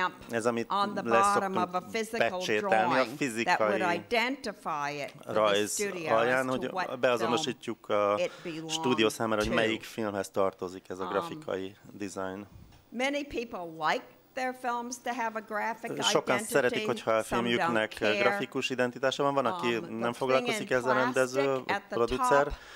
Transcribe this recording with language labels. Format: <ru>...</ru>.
<hu>ez, amit leszoktunk pecsételni a fizikai rajz alján, hogy beazonosítjuk a stúdió számára, hogy melyik filmhez tartozik ez a grafikai design.</hu> <en>Many people like their films to have a graphic identity.</en> <hu>Sokan szeretik, hogyha a filmjüknek grafikus identitása van, van, aki nem foglalkozik ezzel, rendező, producer.</hu>